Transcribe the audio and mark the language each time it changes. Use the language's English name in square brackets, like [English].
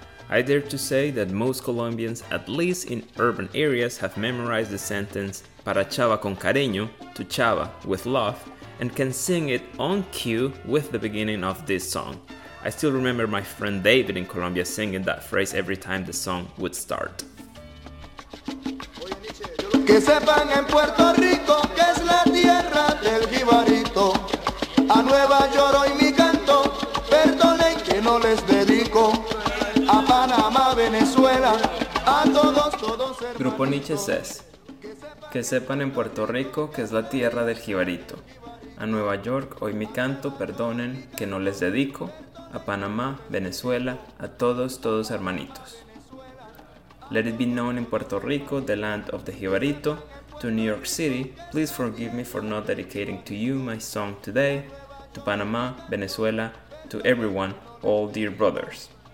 [English] I dare to say that most Colombians, at least in urban areas, have memorized the sentence [Spanish] para Chava con cariño, [English] to Chava with love, and can sing it on cue with the beginning of this song. I still remember my friend David in Colombia singing that phrase every time the song would start. [Spanish] Que sepan en Puerto Rico que es la tierra del jibarito. A Nueva York hoy mi canto, perdonen que no les dedico. A Panamá, Venezuela, a todos, todos hermanos. [English] Grupo Niche says, [Spanish] que sepan en Puerto Rico que es la tierra del jibarito. A Nueva York hoy mi canto, perdonen que no les dedico. A Panamá, Venezuela, a todos, todos hermanitos. [English] Let it be known in Puerto Rico, the land of the jibarito, to New York City, please forgive me for not dedicating to you my song today. To Panamá, Venezuela, to everyone, all dear brothers.